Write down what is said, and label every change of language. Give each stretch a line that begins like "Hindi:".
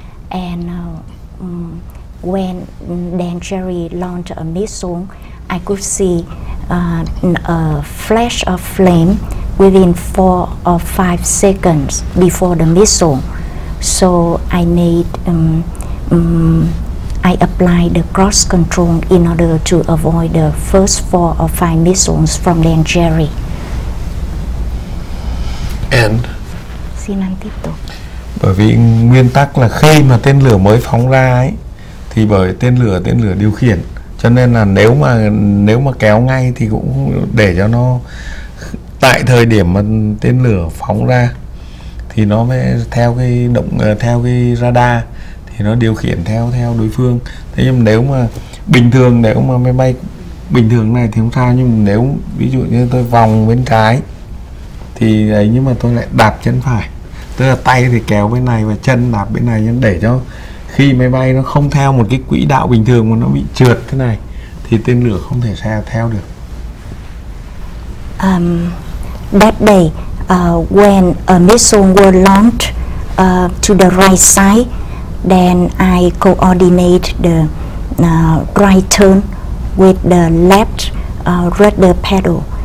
English: And when Dangery launched a missile, I could see a flash of flame within 4 or 5 seconds before the missile. So I made I applied the cross control in order to avoid the first four or five missiles from the Angeri. And?
Vietnamese: Xin anh tiếp tục. Bởi vì nguyên tắc là khi mà tên lửa mới phóng ra ấy, thì bởi tên lửa điều khiển. Cho nên là nếu mà kéo ngay thì cũng để cho nó tại thời điểm mà tên lửa phóng ra thì nó mới theo cái radar thì nó điều khiển theo đối phương. Thế nhưng nếu mà bình thường, nếu mà máy bay bình thường này thì không sao, nhưng nếu ví dụ như tôi vòng bên trái thì ấy, nhưng mà tôi lại đạp chân phải, tức là tay thì kéo bên này và chân đạp bên này, để cho khi máy bay nó không theo một cái quỹ đạo bình thường mà nó bị trượt thế này thì tên lửa không thể xe theo được.
English: That day, when a missile was launched to the right side, then I coordinate the right turn with the left rudder pedal.